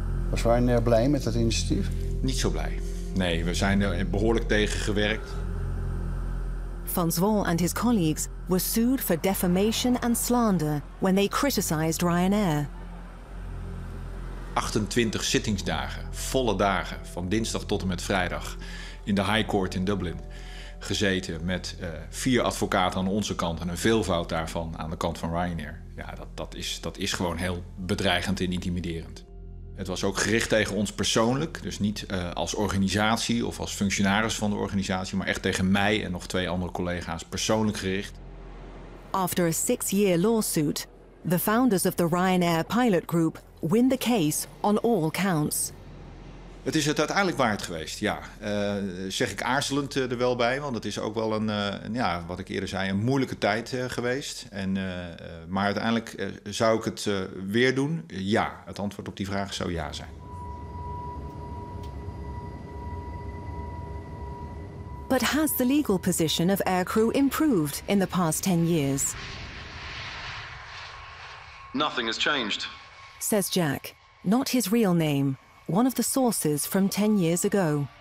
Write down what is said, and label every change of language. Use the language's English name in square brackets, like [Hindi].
[Dutch] Was Ryanair blij met dat initiatief? Niet zo blij. Nee, we zijn er behoorlijk tegen gewerkt. [English] Van Zwol and his colleagues were sued for defamation and slander when they criticized Ryanair. [Dutch] 28 zittingsdagen, volle dagen, van dinsdag tot en met vrijdag, in de High Court in Dublin. Gezeten met vier advocaten aan onze kant en een veelvoud daarvan aan de kant van Ryanair. Ja, dat is gewoon heel bedreigend en intimiderend. Het was ook gericht tegen ons persoonlijk, dus niet als organisatie of als functionaris van de organisatie, maar echt tegen mij en nog twee andere collega's persoonlijk gericht. [English] After a 6-year lawsuit, the founders of the Ryanair pilot group win the case on all counts. [Dutch] Het is het uiteindelijk waard geweest, ja. Zeg ik aarzelend er wel bij, want het is ook wel wat ik eerder zei, een moeilijke tijd geweest. Maar uiteindelijk zou ik het weer doen? Ja, het antwoord op die vraag zou ja zijn. [English] But has the legal position of aircrew improved in the past 10 years? Nothing has changed, says Jack, not his real name, one of the sources from 10 years ago.